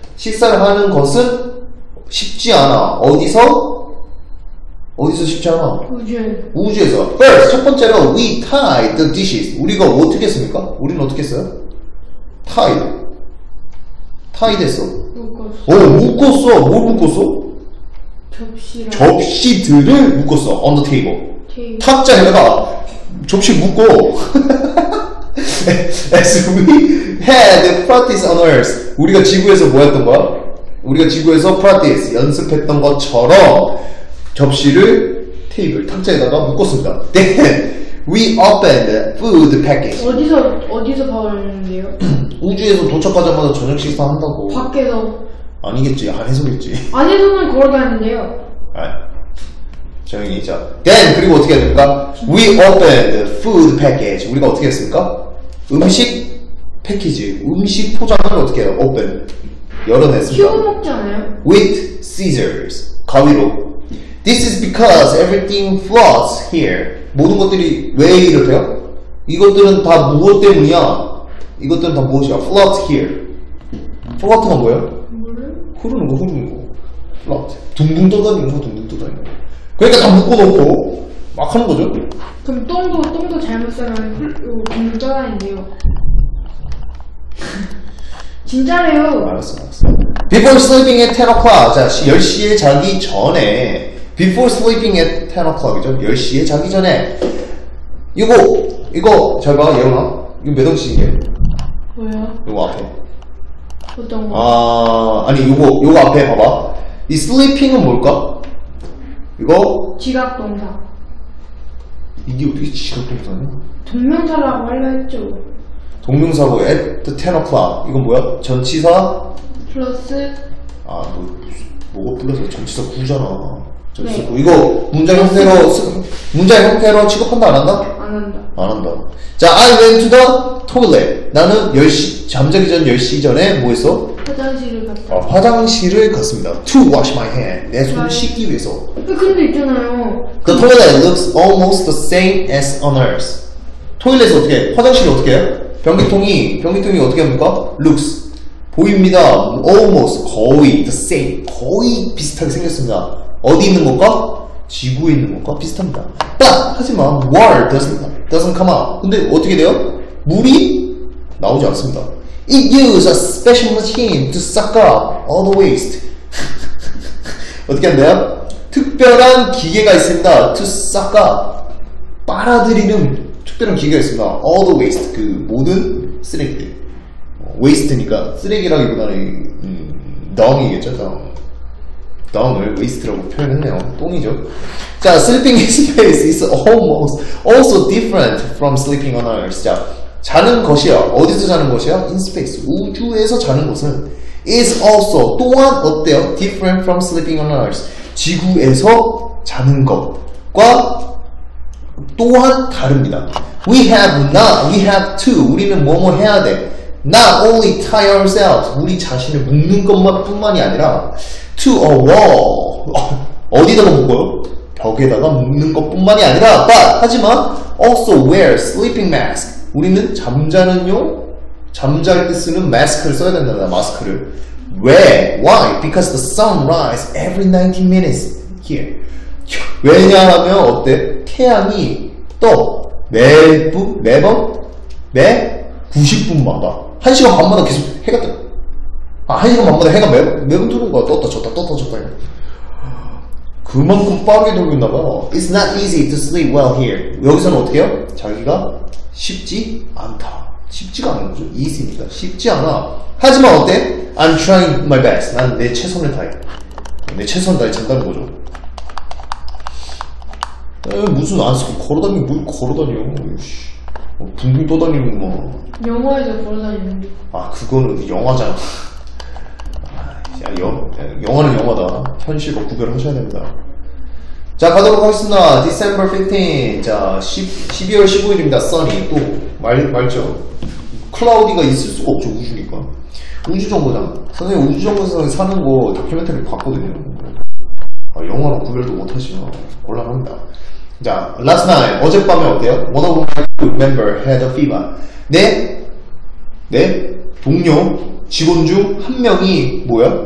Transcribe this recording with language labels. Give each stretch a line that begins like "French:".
Korean: 식사를 하는 것은 쉽지 않아. 어디서 쉽지 않아? 우주에서.
English: First,
Korean: 첫 번째로
English: we tied the dishes.
Korean: 우리가 어떻게 했습니까? 우리는 어떻게 했어요? Tied. Tied 했어. 묶었어. 묶었어. 뭘 묶었어? 접시들을 묶었어.
English: On the table.
Korean: 탁자에다가 접시 묶어.
English: As we had practice on Earth.
Korean: 우리가 지구에서 뭐 했던 거야? 우리가 지구에서 practice, 연습했던 것처럼 접시를 테이블, 탁자에다가 묶었습니다.
English: Then we opened the food package.
Korean: 어디서 받았는데요? 우주에서 도착하자마자 저녁 식사 한다고. 밖에서. 아니겠지, 안에서겠지. 안에서는 걸어다니는데요. 조용히 있죠. Then, 그리고 어떻게 해야 됩니까?
English: We opened the food package.
Korean: 우리가 어떻게 했습니까? 음식 패키지, 음식 포장을 어떻게 해요? Open. 열어냈습니다. 키우고 먹지 않아요?
English: With scissors.
Korean: 가위로.
English: This is because everything floats here.
Korean: 모든 것들이 왜 이렇대요? 이것들은 다 무엇 때문이야? 이것들은 다 무엇이야?
English: Floats here.
Korean: Float가 뭐예요? 흐르는 거.
English: Float.
Korean: 둥둥 떠다니는 거, 둥둥 떠다니는 거. 그러니까 다 묶어놓고 막 하는 거죠. 그럼 똥도 잘못 사면 흘리고 떠다니는데요. 진짜래요. 알았어.
English: Before sleeping at 10 o'clock.
Korean: 자, 10시에 자기 전에.
English: Before sleeping at 10 o'clock이죠.
Korean: 10시에 자기 전에. 이거 잘 봐, 예은아. 이거 몇 원씩이에요? 뭐야? 이거 앞에. 어떤 거? 아니 이거 앞에 봐봐. 이 sleeping은 뭘까? 이거? 지각동사. 이게 어떻게 지각동사냐? 동명사라고 하려 했죠. 동명사고
English: at the 10 o'clock.
Korean: 이건 뭐야? 전치사? 플러스? 아, 뭐가 플러스야? 전치사 구잖아. 전치사 구. 네. 이거 문장 형태로, 문장 형태로 취급한다, 안 한다? 안 한다.
English: 자, I went to the toilet.
Korean: 나는 10시, 잠자기 전 10시 전에 뭐 했어? 화장실을 갔습니다.
English: To wash my hand.
Korean: 내 손 씻기 위해서. 근데 있잖아요.
English: The toilet looks almost the same as on Earth.
Korean: 토일렛 어떻게 해? 화장실이 어떻게 해? 변기통이 어떻게 합니까?
English: Looks.
Korean: 보입니다.
English: Almost.
Korean: 거의.
English: The same.
Korean: 거의 비슷하게 생겼습니다. 어디 있는 것과? 지구에 있는 것과 비슷합니다.
English: But!
Korean: 하지만,
English: water doesn't come out.
Korean: 근데 어떻게 돼요? 물이 나오지 않습니다.
English: It uses a special machine to suck up all the waste.
Korean: 어떻게 한대요? 특별한 기계가 있습니다.
English: To suck up.
Korean: 빨아들이는 특별한 기계가 있습니다.
English: All the waste.
Korean: 그 모든 쓰레기들. Waste니까 쓰레기라기보다는 dung이겠죠. 덩을 waste라고 표현했네요. 똥이죠.
English: 자, sleeping in space is almost also different from sleeping on Earth.
Korean: 자, 자는 것이요. 어디서 자는 것이요?
English: In space.
Korean: 우주에서 자는 것은
English: is also
Korean: 또한 어때요?
English: Different from sleeping on Earth.
Korean: 지구에서 자는 것과 또한 다릅니다.
English: We have not, we have to.
Korean: 우리는 뭐뭐 해야 돼.
English: Not only tie ourselves,
Korean: 우리 자신을 묶는 것뿐만이 아니라
English: to a wall,
Korean: 어디다가 묶어요? 벽에다가 묶는 것뿐만이 아니라
English: but,
Korean: 하지만
English: also wear sleeping mask,
Korean: 우리는 잠자는용, 잠잘 때 쓰는 마스크를 써야 된다, 마스크를.
English: Where? Why? Because the sun rises every 90 minutes here.
Korean: 왜냐하면 어때? 태양이 떠 매번? 매 90분마다 1시간 반마다 계속 해가 떠. 1시간 반마다 해가 매번 뜨는 거야. 떴다 졌다 떴다 졌다 해. 그만큼 빠르게 돌고 있나 봐.
English: It's not easy to sleep well here.
Korean: 여기서는 어떻게 해요? 자기가 쉽지 않다. 쉽지가 않은 거죠. Easy니까 쉽지 않아. 하지만 어때?
English: I'm trying my best.
Korean: 난 내 최선을 다해. 내 최선을 다해 잔다는 거죠. 무슨 안 쓰고 걸어다니고 뭘 걸어다녀. 붕붕 떠다니는구만. 영화에서 걸어다니는 게. 아, 그거는 영화잖아. 야, 영화는 영화다. 현실과 구별하셔야 됩니다. 자, 가도록 하겠습니다.
English: December 15.
Korean: 자, 12월 15일입니다.
English: Sunny.
Korean: 또, 말죠. Cloudy가 있을 수가 없죠. 우주니까. 우주정거장. 선생님, 우주정거장에 사는 거 다큐멘터리 봤거든요. 아, 영화랑 구별도 못하시면 곤란합니다. 자,
English: last night,
Korean: 어젯밤에 어때요?
English: One of my crew member had a fever.
Korean: 내 동료, 직원 중 한 명이 뭐야?